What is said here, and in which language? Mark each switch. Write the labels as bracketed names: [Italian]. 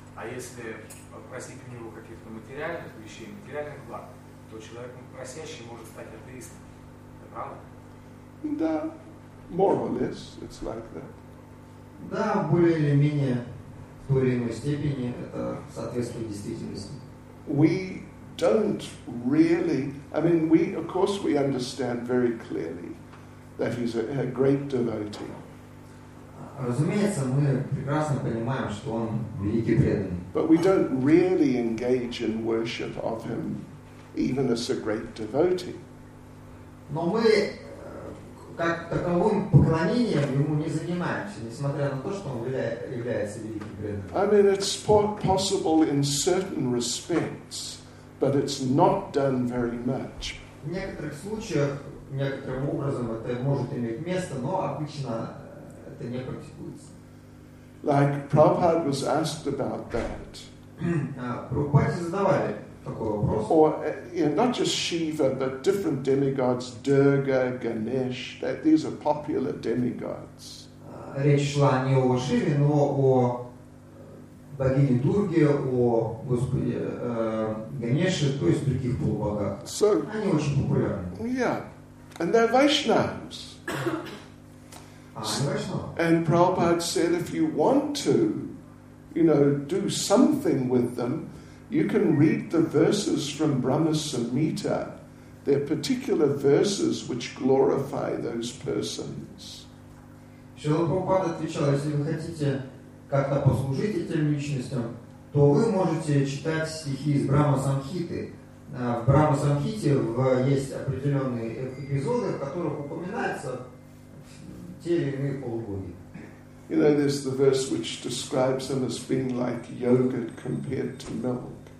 [Russian] А если просить у него каких-то материальных вещей, материальных благ, то человек просящий может стать атеистом. Это правда? Да. [English] More or less, it's like that. [Russian] Да, более или менее в той или иной степени это соответствует действительности. [English] We don't really, I mean, we, of course, we understand very clearly that he's a great devotee. [Russian] Разумеется, мы прекрасно понимаем, что он великий преданный. [English] But we don't really engage in worship of him, even as a great devotee. [Russian] Но мы как таковым поклонением ему не занимаемся, несмотря на то, что он является великим преданным. [English] I mean, it's possible in certain respects. But it's not done very much. [Russian] В некоторых случаях, некоторым образом, это может иметь место, но обычно это не практикуется. [English] Like Prabhupada was asked about that. [Russian] Прабхупаде задавали такой вопрос. [English] Or not just Shiva, but different demigods, Durga, Ganesh. That these are popular demigods. [Russian] Речь шла не о Шиве, но о богини Дурги, о Господе Ганеше, то есть других полубогах. [English] So, [Russian] они очень популярны. [English] Yeah. And they're Vaishnavs. And Prabhupada said, if you want to, you know, do something with them, you can read the verses from Brahma Samhita. They're particular verses which glorify those persons. [Russian] Шрила Прабхупада отвечал, если вы хотите как-то послужить этим личностям, то вы можете читать стихи из Брахма Самхиты. В Брахма Самхите есть определенные эпизоды, в которых упоминаются те или иные полубоги. [English] You know, there's the verse which describes them as being like yogurt compared to milk.